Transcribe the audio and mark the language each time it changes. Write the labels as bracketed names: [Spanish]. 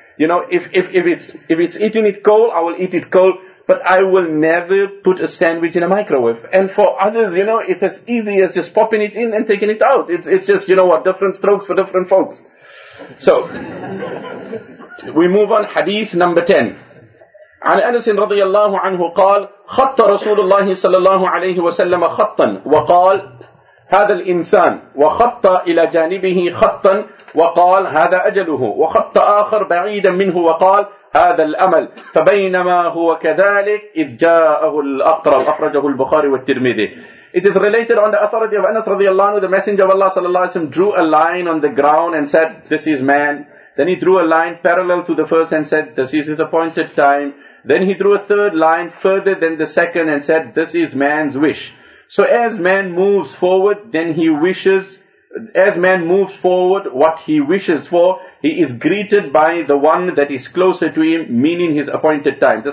[English] You know, if it's eating it cold, I will eat it cold, but I will never put a sandwich in a microwave. And for others, you know, it's as easy as just popping it in and taking it out. It's just, you know what, different strokes for different folks. So, we move on, hadith number 10. [Arabic] عن أنس رضي الله عنه قال خط رسول الله صلى الله عليه وسلم خطا وقال هذا الإنسان وخط إلى جانبه خطا وقال هذا أجله وخط آخر بعيدا منه وقال هذا الأمل فبينما هو كذلك إذ جاءه الأقرب أخرجه البخاري والترمذي. [English] It is related on the authority of Anas رضي الله عنه, the messenger of Allah صلى الله عليه وسلم drew a line on the ground and said, this is man. Then he drew a line parallel to the first and said, this is his appointed time. Then he drew a third line further than the second and said, this is man's wish. So as man moves forward, then he wishes, as man moves forward, what he wishes for, he is greeted by the one that is closer to him, meaning his appointed time.